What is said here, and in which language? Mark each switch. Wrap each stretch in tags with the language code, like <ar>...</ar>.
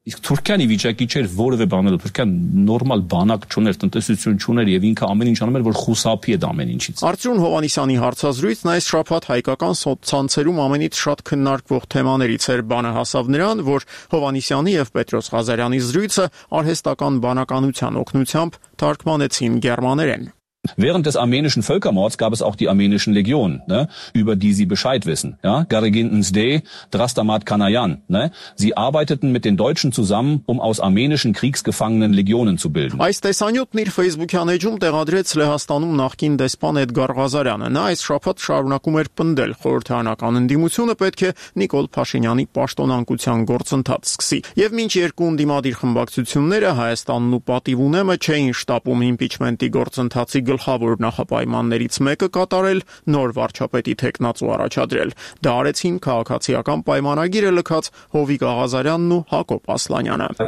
<hy>Իսկ Թուրքիայի վիճակի չէր որևէ բանել, Թուրքիան նորմալ բանակ չուներ, տնտեսություն չուներ եւ ինքը ամեն ինչ անում էր, որ խուսափի է ամեն ինչից։ Արծրուն Հովանիսյանի հարցազրույցն այս շաբաթ հայկական ցանցերում ամենից շատ քննարկվող թեմաներից էր, բանը հասավ նրան, որ Հովանիսյանի եւ Պետրոս Ղազարյանի զրույցը արհեստական բանականության օգնությամբ թարգմանեցին գերմաներեն։</hy> <de>Während des armenischen Völkermords gab es auch die armenischen Legionen, ne, über die Sie Bescheid wissen. Ja, Garegin Nzde, Drastamat Kanayan. Ne, sie arbeiteten mit den Deutschen zusammen, um aus armenischen Kriegsgefangenen Legionen zu bilden.</de> <hy>Այս տեսանյութն իր Facebook-յան էջում տեղադրեց Լեհաստանում նախկին դեսպան Էդգար Ղազարյանը։ Նա այս շաբաթ շարունակում էր պնդել, խորհրդանական ընդդիմությունը պետք է Նիկոլ Փաշինյանի պաշտոնանկության գործընթաց սկսի։ Եվ մինչ երկու ընդդիմադիր խմբակցությունները Հայաստանն ու պատիվ ունեմը չէին շտապում իմպիչմենտի գործընթացի գլխավոր նախապայմաններից մեկը կատարել, նոր վարչապետի թեկնածու առաջադրել։ Դա արեցին քաղաքացիական պայմանագիրը լքած Հովիկ Աղազարյանն ու Հակոբ Ասլանյանը։</hy>